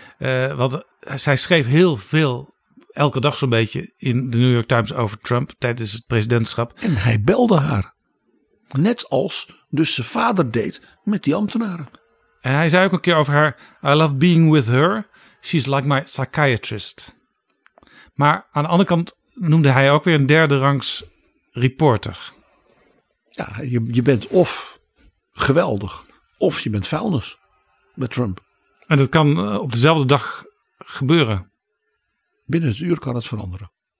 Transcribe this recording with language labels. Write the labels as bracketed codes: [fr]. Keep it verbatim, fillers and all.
[nl] Uh, want zij schreef heel veel, elke dag zo'n beetje, in de New York Times over Trump tijdens het presidentschap. En hij belde haar. Net als dus zijn vader deed met die ambtenaren. En hij zei ook een keer over haar: [en] I love being with her. She's like my psychiatrist. [nl] Maar aan de andere kant noemde hij ook weer een derde rangs reporter. Ja, je, je bent of geweldig, of je bent vuilnis met Trump. En dat kan op dezelfde dag gebeuren. Binnen het uur kan het veranderen.